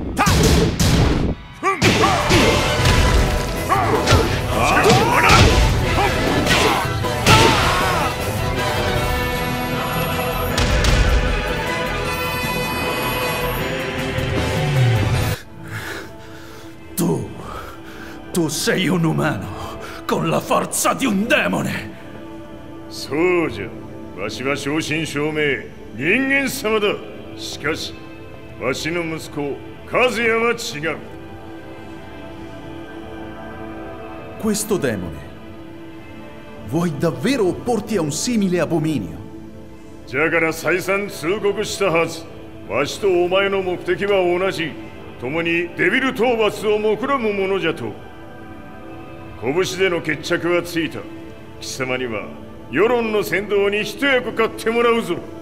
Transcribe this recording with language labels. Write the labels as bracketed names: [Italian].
[Italian] Tu sei un umano con la forza di un demone! [Japanese] そうじゃ。わしは正真正銘、人間様だ。しかし、わしの息子、カズヤは違う。 [Italian] Questo demone, vuoi davvero opporti a un simile abominio? [Japanese] じゃから再三通告したはず。わしとお前の目的は同じ。共にデビル討伐を目論む者じゃと。拳での決着はついた。貴様には。世論の先導に一役買ってもらうぞ。